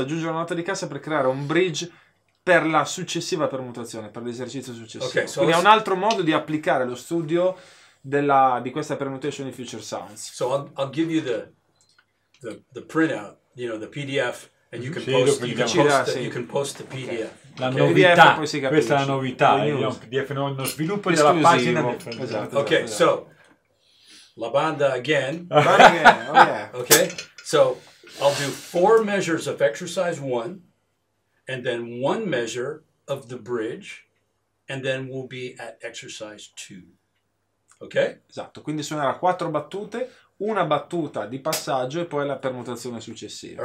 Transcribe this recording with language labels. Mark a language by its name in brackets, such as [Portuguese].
[Italian] Aggiunge una nota di cassa per creare un bridge. Per la successiva permutazione, per l'esercizio successivo. [English] Okay, so [Italian] quindi è un altro modo di applicare lo studio di questa permutation di future sounds. [English] So I'll give you the printout, you know, the PDF, and you can post the PDF. [Italian] La novità, PDF, poi si capisce. Questa è la novità. PDF è uno sviluppo della pagina. Esatto, [English] okay, so [Italian] la banda [English] again. Okay, so I'll do 4 measures of exercise 1. And then 1 measure of the bridge, and then we'll be at exercise 2. Okay? [Italian] Esatto, quindi suonerà 4 battute, una battuta di passaggio e poi la permutazione successiva.